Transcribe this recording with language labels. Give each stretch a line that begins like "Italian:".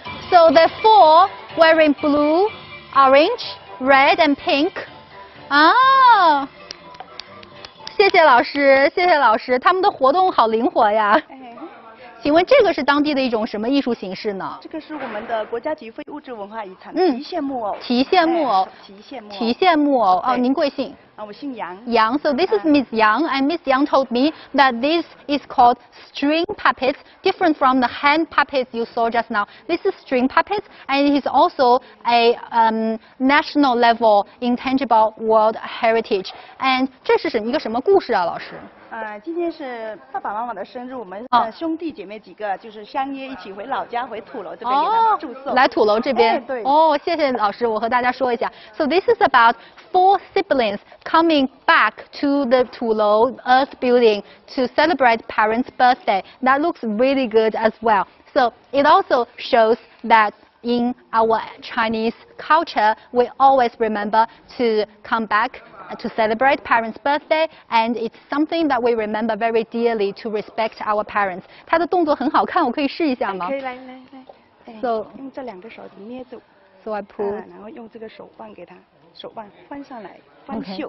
English: So the four wearing blue, orange, red, and pink. Oh!
Chinese: 谢谢老师，谢谢老师，他们的活动好灵活呀。请问这个是当地的一种什么艺术形式呢？这个是我们的国家级非物质文化遗产提线木偶。提线木偶。提线木偶。提线木偶。哦，您贵姓？啊，我姓杨。
English: 杨 ，So this is Miss Yang, and Miss Yang told me that this is called string puppets, different from the hand puppets you saw just now. This is string puppets, and it is also a national level intangible world heritage.
Chinese: And 这是什么一个什么故事啊，老师？今天是爸爸妈妈的生日，我们兄弟姐妹几个就是相约一起回老家，回土楼这边给他们祝寿。来土楼这边。哎、对。哦，谢谢老师，我和大家说一下。
English: So this is about four siblings coming back to the Tulou Earth Building to celebrate parents' birthday. That looks really good as well. So it also shows that in our Chinese culture, we always remember to come back. To celebrate parents' birthday, and it's something that we remember very dearly to respect our parents.
Chinese: 他的动作很好看，我可以试一下吗？可以，来来来，哎、 so, ，用这两个手指捏住
English: ，so I pull，、
Chinese: 然后用这个手腕给他，手腕翻上来，翻绣，